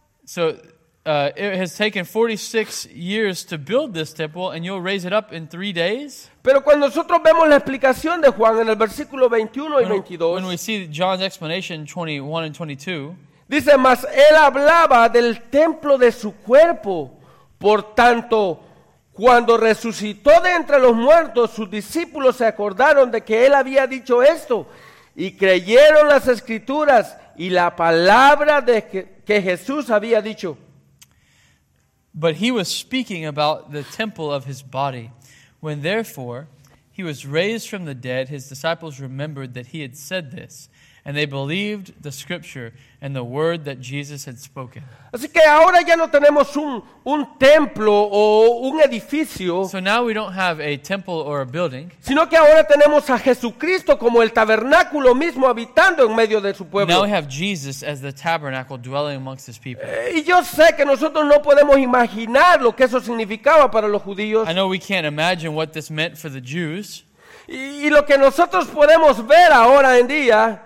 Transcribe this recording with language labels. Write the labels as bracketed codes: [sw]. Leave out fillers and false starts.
[en] So, it has taken 46 years to build this temple, and you'll raise it up in 3 days. [es] Pero cuando nosotros vemos la explicación de Juan en el versículo 21 y 22, [en] when we see John's explanation 21 and 22, [es] dice: mas él hablaba del templo de su cuerpo. Por tanto, cuando resucitó de entre los muertos, sus discípulos se acordaron de que él había dicho esto, y creyeron las escrituras y la palabra de que Jesús había dicho. [en] But he was speaking about the temple of his body. When therefore he was raised from the dead, his disciples remembered that he had said this, and they believed the scripture and the word that Jesus had spoken. [es] Así que ahora ya no tenemos un templo o un edificio. [en] So now we don't have a temple or a building. [es] Sino que ahora tenemos a Jesucristo como el tabernáculo mismo habitando en medio de su pueblo. [en] Now we have Jesus as the tabernacle dwelling amongst his people. [es] Y yo sé que nosotros no podemos imaginar lo que eso significaba para los judíos. [en] I know we can't imagine what this meant for the Jews. [es] Y lo que nosotros podemos ver ahora en día,